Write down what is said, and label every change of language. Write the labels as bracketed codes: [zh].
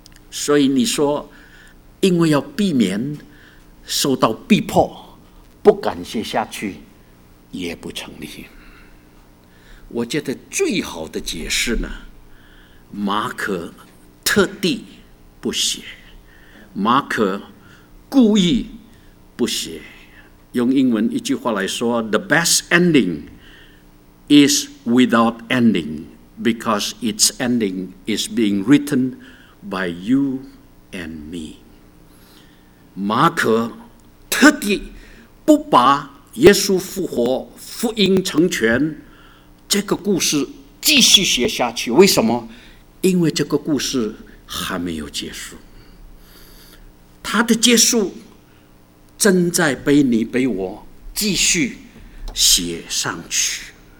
[zh] 所以你说因为要避免受到逼迫不敢写下去也不成立。我觉得最好的解释呢，马可特地不写，马可故意不写。用英文一句话来说， [en] The best ending is without ending because its ending is being written by you and me。 [zh] 马可特地不把耶稣复活福音成全这个故事继续写下去。为什么？因为这个故事还没有结束，他的结束正在被你被我继续写上去。